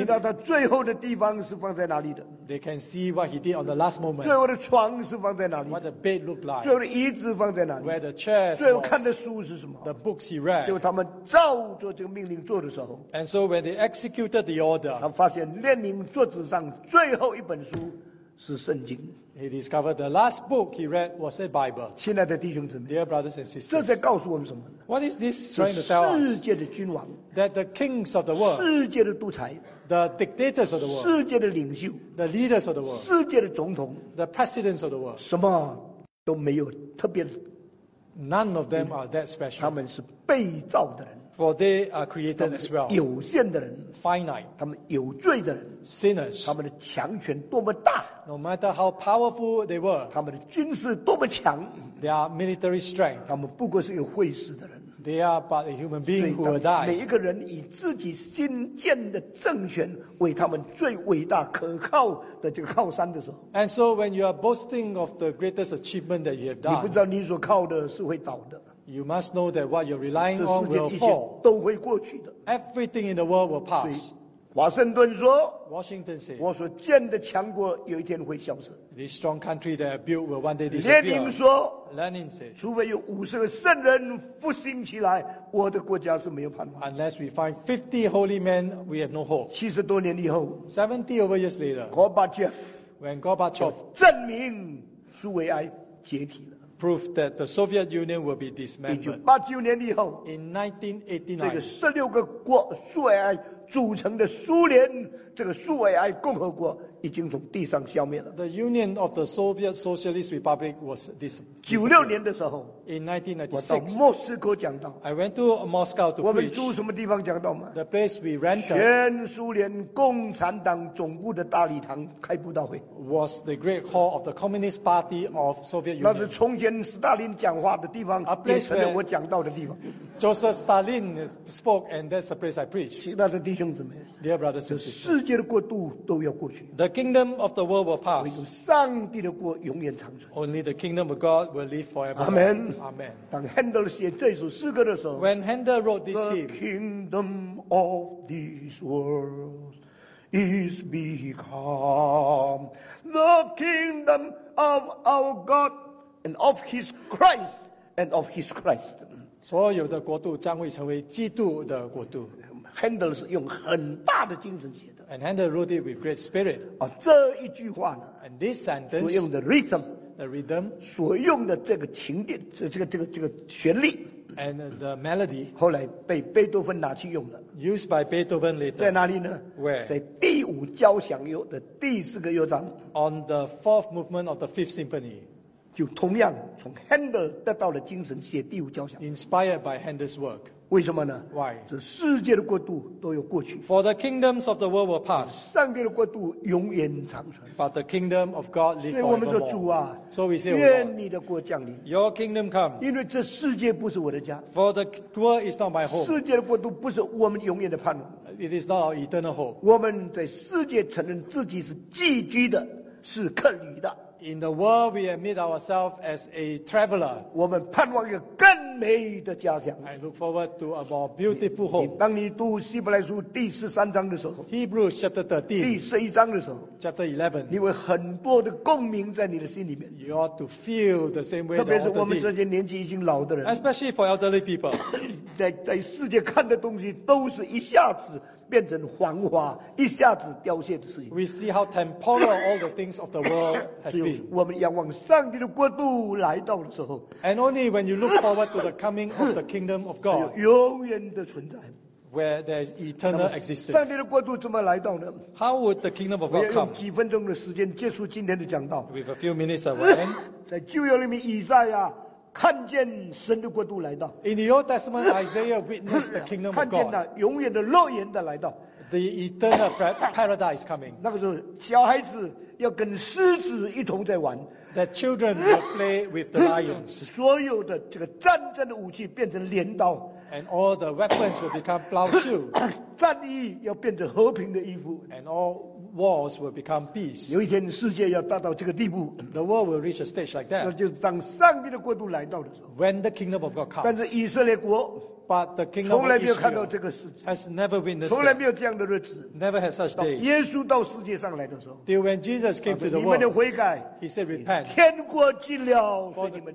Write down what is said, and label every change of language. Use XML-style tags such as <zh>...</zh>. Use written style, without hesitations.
<zh>知道他最后的地方是放在哪里的。</zh> <en>They can see what he did on the last moment.</en> <zh>最后的床是放在哪里</zh> <en>？What the bed looked like.</en> <zh>最后的椅子放在哪里</zh> <en>？Where the chair was.</en> <zh>最后看的书是什么</zh> <en>？The books he read.</en> <zh>结果他们照着这个命令做的时候</zh> <en>，And so when they executed the order,</en> <zh>他发现列宁桌子上最后一本书是圣经。</zh> <en>He discovered the last book he read was a Bible.</en> <zh>亲爱的弟兄姊妹</zh> <en>，Dear brothers and sisters，</en> <zh>这在告诉我们什么</zh> <en>？What is this trying to tell us？</en> <zh>世界的君王</zh> <en>，that the kings of the world，</en> <zh>世界的独裁</zh> <en>，the dictators of the world，</en> <zh>世界的领袖</zh> <en>，the leaders of the world，</en> <zh>世界的总统</zh> <en>，the presidents of the world，</en> <zh>什么都没有特别</zh> <en>，none of them are that special。</en> <zh>他们是被造的人</zh> <en>，for they are created as well。</en> <zh>有限的人</zh> <en>，finite。</en> <zh>他们有罪的人</zh> <en>，sinners。</en> <zh>他们的强权多么大。</zh> <en>No matter how powerful they were,</en> <zh>他们的军事多么强</zh> <en>，their military strength,</en> <zh>他们不过是有会师的人</zh> <en>，they are but a human being who will die.</en> <zh>每一个人以自己新建的政权为他们最伟大可靠的这个靠山的时候</zh> <en>，and so when you are boasting of the greatest achievement that you have done,</en> <zh>你不知道你所靠的是会倒的。</zh> <en>You must know that what you're relying on will fall.</en> <zh>都会过去的。</zh> <en>Everything in the world will pass.</en> <zh>华盛顿说</zh> <en>Washington said,</en> <zh>我所建的强国有一天会消失</zh> <en>This strong country that I built will one day disappear</en> <zh>列宁说</zh> <en>Lenin said,</en> <zh>除非有五十个圣人复兴起来我的国家是没有盼望</zh> <en>Unless we find 50 holy men we have no hope</en> <zh>七十多年以后</zh> <en>70 over years later</en> <zh>Gorbachev</zh> <en>When Gorbachev</en> <zh>证明苏维埃解体了</zh> <en>Proved that the Soviet Union will be dismembered</en> <zh>1989年以后</zh> <en>In 1989</en> <zh>这个十六个国苏维埃组成的苏联这个苏维埃共和国已经从地上消灭了。</zh> <en>The Union of the Soviet Socialist Republic was this.</en> <zh>96年的时候</zh> <en>，In 1996,</en> <zh>我到莫斯科讲道。</zh> <en>I went to Moscow to preach.</en> <zh>我们住什么地方讲道吗</zh> <en>？The place we rented.</en> <zh>全苏联共产党总部的大礼堂开布道会。</zh> <en>Was the Great Hall of the Communist Party of Soviet Union.</en> <zh>那是从前斯大林讲话的地方，</zh> <en>A place</en> <zh>也成了我讲道的地方。</zh> <en>Joseph Stalin spoke, and that's the place I preach.</en> <zh>亲爱的弟兄姊妹</zh> <en>，Dear brothers and sisters,</en> <zh>世界的国度都要过去。</zh> <en>The kingdom of the world will pass.</en> <zh>唯有上帝的国永远长存。</zh> <en>Only the kingdom of God will live forever. Amen. Amen.</en> <zh>当 Handel 写这首诗歌的时候</zh> <en>，When Handel wrote this hymn, the kingdom of this world is become the kingdom of our God and of His Christ and of His Christ.</en> <zh>所有的国度将会成为基督的国度。 Handel 是用很大的精神写的</zh> <en>，and Handel wrote it with great spirit。</en> <zh>啊，这一句话呢</zh> <en>，and this sentence</en> <zh>所用的 rhythm，</zh> <en>the rhythm</en> <zh>所用的这个情调，这个旋律</zh> <en>，and the melody</en> <zh>后来被贝多芬拿去用了</zh> <en>，used by Beethoven later。</en> <zh>在哪里呢</zh> <en>？Where</en> <zh>在第五交响乐的第四个乐章</zh> <en>，on the fourth movement of the fifth symphony。</en> <zh>就同样从 Handel 得到的精神写第五交响</zh> <en>Inspired by Handel's work</en> <zh>为什么呢</zh> <en>Why</en> <zh>这世界的国度都有过去</zh> <en>For the kingdoms of the world will pass</en> <zh>上帝的国度永远长存</zh> <en>But the kingdom of God live forevermore</en> <zh>所以我们说主啊</zh> <en>So we say</en> <zh>愿你的国降临</zh> <en>Your kingdom come</en> <zh>因为这世界不是我的家</zh> <en>For the world is not my home</en> <zh>世界的国度不是我们永远的盼望</zh> <en>It is not our eternal hope</en> <zh>我们在世界承认自己是寄居的是客旅的</zh> <en>In the world, we admit ourselves as a traveler.</en> <zh>我们盼望一个更美的家乡。</zh> <en>I look forward to a more beautiful home.</en> <zh>当你读希伯来书第十三章的时候</zh> <en>，Hebrews chapter 13,</en> <zh>第十一章的时候</zh> <en>，chapter 11,</en> <zh>你会很多的共鸣在你的心里面。</zh> <en>You ought to feel the same way.</en> <zh>特别是我们这些年纪已经老的人</zh> <en>，especially for elderly people,</en> <zh>在世界看的东西都是一下子。变成繁华一下子凋谢的事情</zh> <en>We see how temporal all the things of the world has been</en> <zh>我们仰望上帝的国度来到的时候</zh> <en>And only when you look forward to the coming of the kingdom of God</en> <zh>永远的存在</zh> <en>Where there is eternal existence</en> <zh>上帝的国度怎么来到呢</zh> <en>How would the kingdom of God come</en> <zh>我要用几分钟的时间结束今天的讲道</zh> <en>With a few minutes of rain</en> <zh>在旧约里面以赛亚看见神的国度来到</zh> <en>In the Old Testament, Isaiah witnessed the kingdom of God</en> <zh>看见那永远的乐园的来到</zh> <en>The eternal paradise coming</en> <zh>那个时候小孩子要跟狮子一同在玩</zh> <en>The children will play with the lions</en> <zh>所有的这个战争的武器变成镰刀</zh> <en>And all the weapons will become plowshoes</en> <zh>战衣要变成和平的衣服</zh> <en>And all walls will become peace</en> <zh>有一天世界要达到这个地步</zh> <en>the world will reach a stage like that</en> <zh>那就是当上帝的国度来到的时候</zh> <en>when the kingdom of God comes</en> <zh>但是以色列国</zh> <en>but the kingdom of Israel has never witnessed</en> <zh>从来没有这样的日子</zh> <en>never had such days</en> <zh>到耶稣到世界上来的时候</zh> <en>till when Jesus came to the world</en> <zh>你们的悔改</zh> <en>he said repent</en> <zh>天国近了</zh> <en>for the</en>